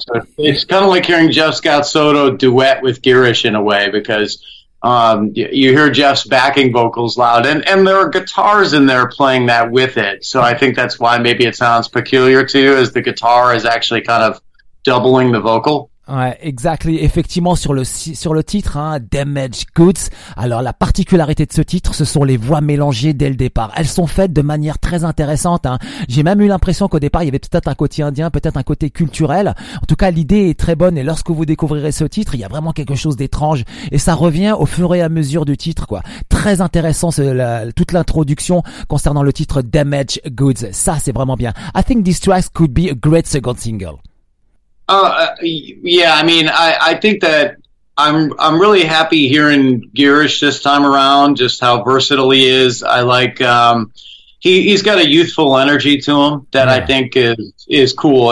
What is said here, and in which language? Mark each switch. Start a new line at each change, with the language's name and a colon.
English: So it's kind of like hearing Jeff Scott Soto duet with Gearish in a way, because you hear Jeff's backing vocals loud, and there are guitars in there playing that with it. So I think that's why maybe it sounds peculiar to you, as the guitar is actually kind of doubling the vocal.
French: Ouais, exactly. Effectivement, sur le titre, hein, Damaged Goods. Alors, la particularité de ce titre, ce sont les voix mélangées dès le départ. Elles sont faites de manière très intéressante, hein. J'ai même eu l'impression qu'au départ, il y avait peut-être un côté indien, peut-être un côté culturel. En tout cas, l'idée est très bonne. Et lorsque vous découvrirez ce titre, il y a vraiment quelque chose d'étrange. Et ça revient au fur et à mesure du titre, quoi. Très intéressant, toute l'introduction concernant le titre Damaged Goods. Ça, c'est vraiment bien.
English: I think this track could be a great second single. I think that I'm really happy hearing Gearish this time around, just how versatile he is. I like, he's got a youthful energy to him that, yeah, I think is cool.